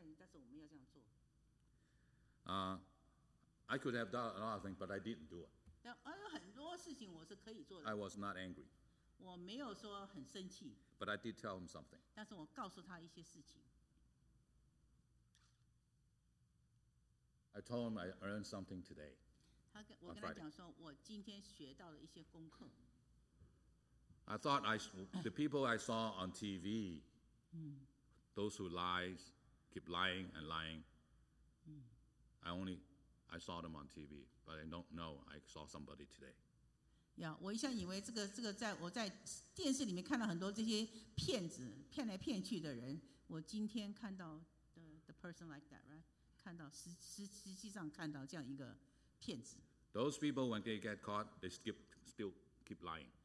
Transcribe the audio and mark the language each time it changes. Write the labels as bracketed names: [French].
[English] I could have done a lot of things, but I didn't do it. [Chinese] 但有很多事情我是可以做的。 [English] I was not angry. [Chinese] 我没有说很生气。 [English] But I did tell him something. [Chinese] 但是我告诉他一些事情。 [English] I told him I earned something today. [Chinese] 我跟他讲说，我今天学到了一些功课。 [English] I thought the people I saw on TV, those who lie, keep lying and lying. I saw them on TV, but I don't know. I saw somebody today. [Chinese] Yeah, 我一向以为这个在我在电视里面看到很多这些骗子骗来骗去的人，我今天看到 [English] the person like that, right? [Chinese] 看到实际上看到这样一个骗子. [English] Those people when they get caught, they still keep lying.